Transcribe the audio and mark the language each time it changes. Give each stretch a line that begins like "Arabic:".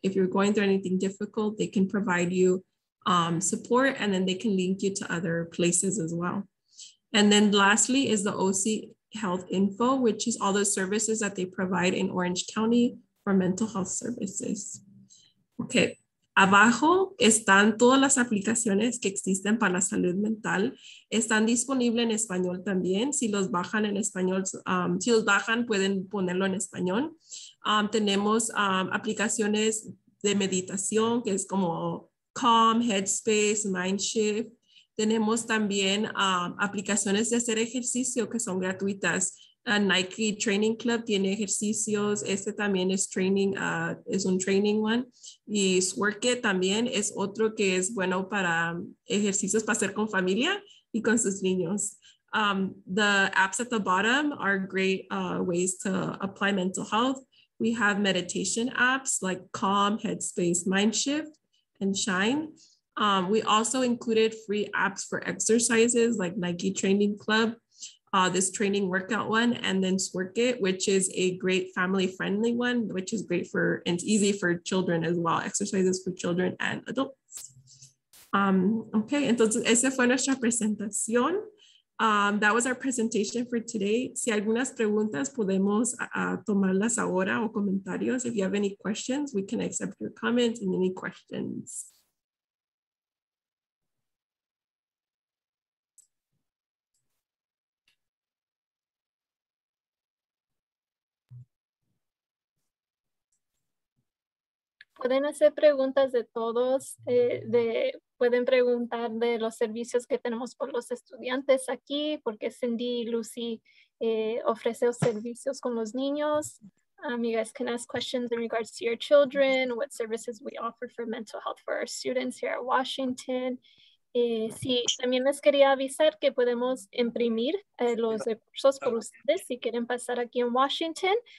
English: If you're going through anything difficult, they can provide you support, and then they can link you to other places as well. And then lastly is the OC Health Info, which is all the services that they provide in Orange County for mental health services. Okay.
Spanish: Abajo están todas las aplicaciones que existen para la salud mental. Están disponibles en español también. Si los bajan en español, si los bajan, pueden ponerlo en español. Tenemos aplicaciones de meditación, que es como Calm, Headspace, Mindshift. Tenemos también aplicaciones de hacer ejercicio que son gratuitas. Nike Training Club tiene ejercicios. Este también es training, es un training one. Y Sworket también es otro que es bueno para ejercicios para hacer con familia y con sus niños.
English: The apps at the bottom are great ways to apply mental health. We have meditation apps like Calm, Headspace, Mindshift, and Shine. We also included free apps for exercises like Nike Training Club, this training workout one, and then Sworket, which is a great family-friendly one, which is great for, and it's easy for children as well, exercises for children and adults.
Spanish: Okay, entonces, esa fue nuestra presentación.
English: That was our presentation for today.
Spanish: Si algunas preguntas, podemos tomarlas ahora o comentarios.
English: If you have any questions, we can accept your comments and any questions.
Spanish: Pueden hacer preguntas de todos, pueden preguntar de los servicios que tenemos por los estudiantes aquí, porque Cindy y Lucy ofrece servicios con los niños.
English: You guys can ask questions in regards to your children, what services we offer for mental health for our students here at Washington.
Spanish: Sí, también les quería avisar que podemos imprimir los recursos por ustedes si quieren pasar aquí en Washington.